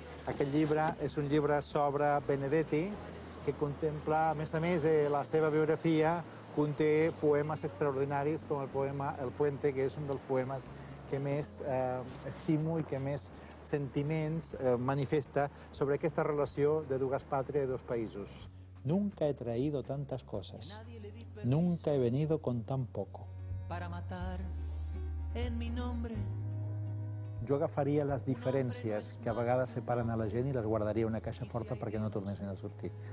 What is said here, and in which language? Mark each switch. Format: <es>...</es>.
<ca>Aquest llibre és un llibre sobre Benedetti, que contempla, a més de la seva biografia, conté poemes extraordinaris com el poema El Puente, que és un dels poemes que més estimo i que més sentiments manifesta sobre aquesta relació de dues pàtries i dos països.</ca> <es>Nunca he traído tantas cosas. Nunca he venido con tan poco. Para matar en mi nombre.</es> <ca>Jo agafaria les diferències que a vegades separen a la gent i les guardaria a una caixa forta perquè no tornessin a sortir.</ca>